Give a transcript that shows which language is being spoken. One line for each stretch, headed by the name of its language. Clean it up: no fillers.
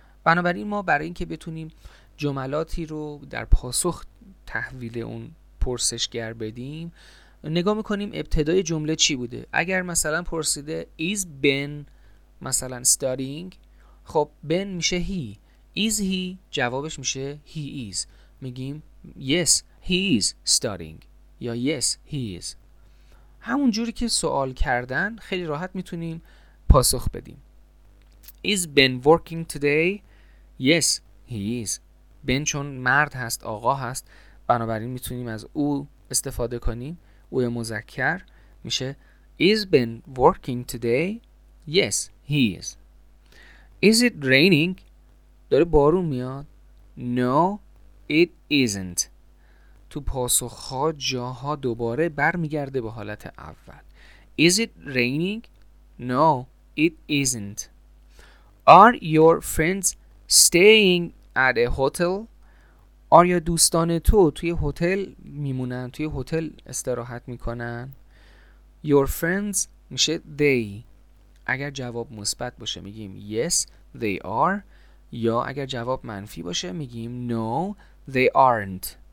Persian: بنابراین ما برای اینکه بتونیم جملاتی رو در پاسخ تحویل اون پرسشگر بدیم، نگاه میکنیم ابتدای جمله چی بوده. اگر مثلا پرسیده Is Ben مثلا studying؟ خب Ben میشه he.
English: Is he؟
Persian: جوابش میشه
English: he is. میگیم Yes, he is studying. یا Yes, he is.
Persian: همون جوری که سوال کردن خیلی راحت میتونیم پاسخ بدیم.
English: Is Ben working today? Yes, he is.
Persian: Ben چون مرد هست، آقا هست، بنابراین میتونیم از او استفاده کنیم. او مذکر میشه
English: Is Ben working today? Yes, he is. Is it raining?
Persian: داره بارون میاد؟
English: No, it isn't.
Persian: تو پاسخها جاها دوباره برمیگرده به حالت اول.
English: Is it raining? No, it isn't. Are your friends staying at a hotel?
Persian: آیا دوستان تو توی هتل میمونن، توی هتل استراحت میکنن؟
English: Your friends
Persian: میشه they. اگر جواب مثبت باشه میگیم
English: yes, they are.
Persian: یا اگر جواب منفی باشه میگیم
English: no, they aren't.